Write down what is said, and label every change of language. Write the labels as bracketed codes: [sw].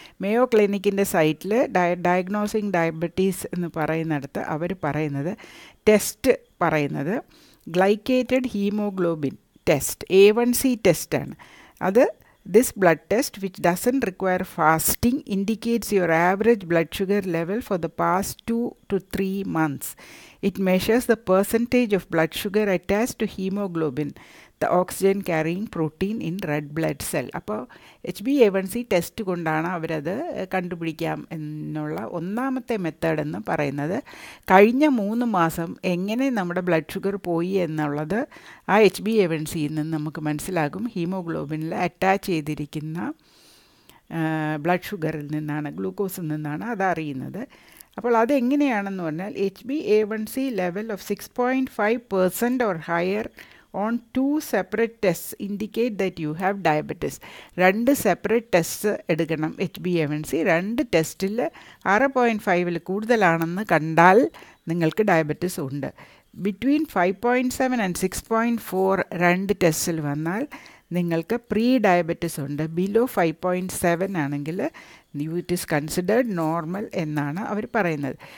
[ml] Mayo ക്ലിനിക്കിൻ്റെ സൈറ്റിൽ diagnosing diabetes എന്ന് പറയുന്നിടത്ത് അവർ പറയുന്നത്, ടെസ്റ്റ് പറയുന്നത് glycated haemoglobin test A1C test ആണ്. [en] അത് This blood test, which doesn't require fasting, indicates your average blood sugar level for the past 2 to 3 months. It measures the percentage of blood sugar attached to hemoglobin, the oxygen carrying protein in red blood cell. [ml] അപ്പോൾ HbA1c test കൊണ്ടാണ് അവരത് കണ്ടുപിടിക്കാം എന്നുള്ള ഒന്നാമത്തെ method എന്ന് പറയുന്നത്. കഴിഞ്ഞ 3 മാസം എങ്ങനെ നമ്മുടെ ബ്ലഡ് ഷുഗർ പോയി എന്നുള്ളത് ആ HbA1c നിന്ന് നമുക്ക് മനസ്സിലാകും. ഹീമോഗ്ലോബിനിൽ അറ്റാച്ച് ചെയ്തിരിക്കുന്ന ബ്ലഡ് ഷുഗറിൽ നിന്നാണ്, ഗ്ലൂക്കോസിൽ നിന്നാണ് അതറിയുന്നത്. അപ്പോൾ അതെങ്ങനെയാണെന്ന് പറഞ്ഞാൽ, [en] HbA1c level of 6.5% or higher on 2 separate tests indicate that you have diabetes. 2 separate tests [ml] എടുക്കണം [en] HbA1c. [ml] 2 ടെസ്റ്റിൽ 6.5 കൂടുതലാണെന്ന് കണ്ടാൽ നിങ്ങൾക്ക് ഡയബറ്റീസ് ഉണ്ട്. [en] between 5.7 and 6.4 [ml] 2 ടെസ്റ്റിൽ വന്നാൽ നിങ്ങൾക്ക് പ്രീ ഡയബറ്റീസ് ഉണ്ട്. [en] below 5.7 ആണെങ്കിൽ it is considered normal [ml] എന്നാണ് അവർ പറയുന്നത്.